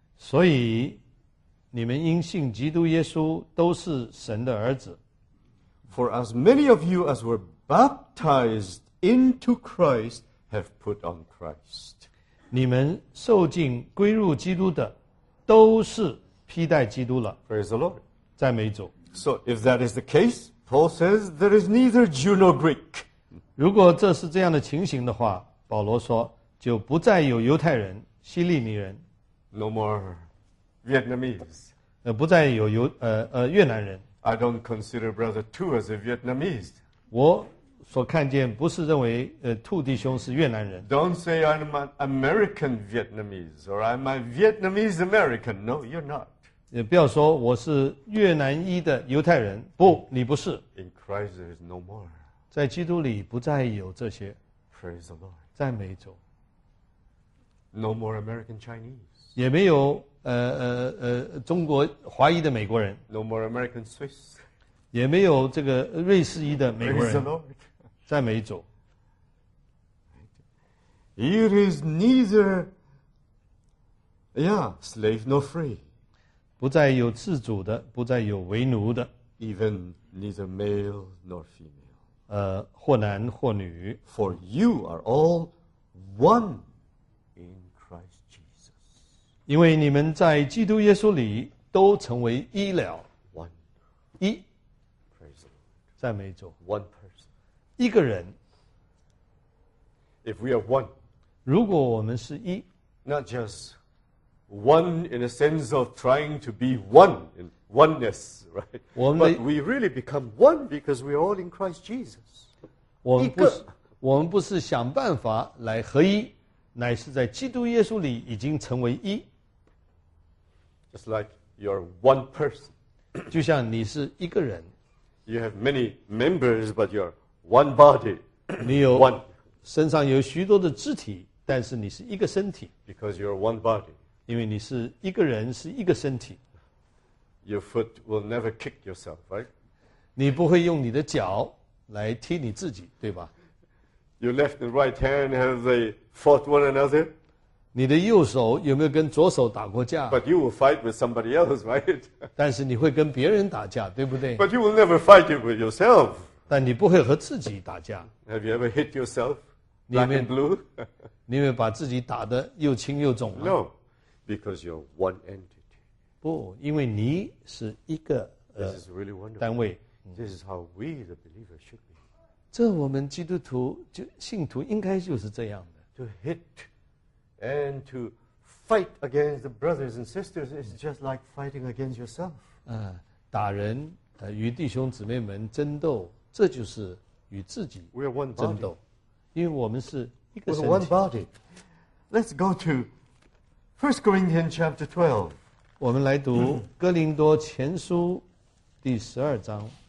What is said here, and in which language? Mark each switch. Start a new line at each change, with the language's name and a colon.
Chinese: 所以你们因信基督耶稣都是神的儿子。
English: For as many of you as were baptized into Christ have put on Christ.
Chinese: 你们受浸归入基督的，都是披戴基督了。
English: Praise the Lord.
Chinese: 赞美主。
English: So if that is the case, Paul says there is neither Jew nor Greek.
Chinese: 如果这是这样的情形的话，保罗说就不再有犹太人、希利尼人。
English: No more Vietnamese.
Chinese: 不再有越南人。
English: I don't consider brother Tu as a Vietnamese.
Chinese: 我所看见不是认为兔弟兄是越南人。
English: Don't say I'm an American Vietnamese or I'm a Vietnamese American. No, you're not.
Chinese: 也不要说我是越南裔的犹太人，不，你不是。
English: In Christ there is no more.
Chinese: 在基督里不再有这些。
English: Praise the Lord.
Chinese: 赞美主。
English: No more American Chinese.
Chinese: 也没有中国华裔的美国人。
English: No more American Swiss.
Chinese: 也没有这个瑞士裔的美国人。
English: Praise the Lord.
Chinese: 赞美主。
English: It is neither, slave nor free.
Chinese: 不再有自主的，不再有为奴的。
English: Even neither male nor female.
Chinese: 或男或女。
English: For you are all one in Christ Jesus.
Chinese: 因为你们在基督耶稣里都成为一了。
English: One.
Chinese: 一。
English: Praise the Lord.
Chinese: 赞美主。
English: One person.
Chinese: 一个人。
English: If we are one.
Chinese: 如果我们是一。
English: Not just. One in a sense of trying to be one in oneness, right? But we really become one because we are all in Christ Jesus.
Chinese: 我们不是想办法来合一，乃是在基督耶稣里已经成为一。
English: Just like you're one person.
Chinese: 就像你是一个人。
English: You have many members, but you're one body.
Chinese: 你有身上有许多的肢体，但是你是一个身体。
English: Because you're one body.
Chinese: 因为你是一个人，是一个身体。
English: Your foot will never kick yourself, right?
Chinese: 你不会用你的脚来踢你自己，对吧
English: ？Your left and right hand have they fought one another?
Chinese: 你的右手有没有跟左手打过架
English: ？But you will fight with somebody else, right?
Chinese: 但是你会跟别人打架，对不对
English: ？But you will never fight it with yourself.
Chinese: 但你不会和自己打架。
English: Have you ever hit yourself? Black and blue.
Chinese: 你有没有把自己打得又青又肿
English: ？No, because you're one entity.
Chinese: 不，因为你是一个单位。
English: This is how we, the believers, should be.
Chinese: 这我们基督徒就信徒应该就是这样的。
English: To hit and to fight against the brothers and sisters is just like fighting against yourself.
Chinese: 打人与弟兄姊妹们争斗，这就是与自己争斗。因为我们是一个身体。
English: We're one body. Let's go to 1 Corinthians chapter 12.
Chinese: 我们来读哥林多前书第十二章。